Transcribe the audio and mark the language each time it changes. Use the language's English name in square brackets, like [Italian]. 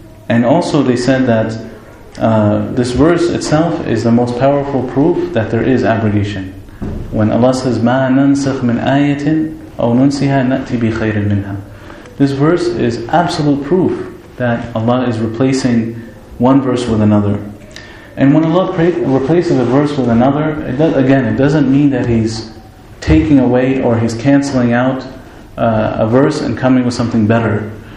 [English] And also they said that this verse itself is the most powerful proof that there is abrogation. When Allah says, [Arabic] مَا نَنْسَخْ مِنْ آيَةٍ أَوْ نُنْسِهَا نَأْتِ بِخَيْرٍ مِنْهَا. [English] This verse is absolute proof that Allah is replacing one verse with another. And when Allah replaces a verse with another, it doesn't mean that He's taking away or He's canceling out a verse and coming with something better.